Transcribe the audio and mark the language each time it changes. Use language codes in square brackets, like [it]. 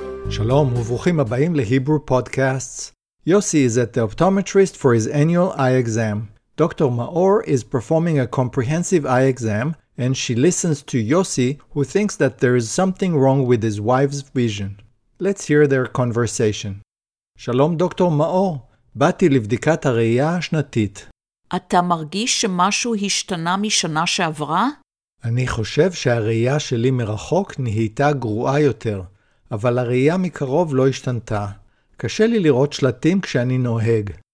[he] שלום וברוכים הבאים ל-Hebrew Podcasts. [en] Yossi is at the optometrist for his annual eye exam. Dr. Maor is performing a comprehensive eye exam, and she listens to Yossi, who thinks that there is something wrong with his wife's vision. Let's hear their conversation. [he] שלום דוקטור מאור, באתי לבדיקת הראייה השנתית. אתה מרגיש שמשהו השתנה משנה שעברה? אני חושב שהראייה שלי מרחוק נהייתה גרועה יותר, אבל הראייה מקרוב לא השתנתה. קשה לי לראות שלטים כשאני נוהג.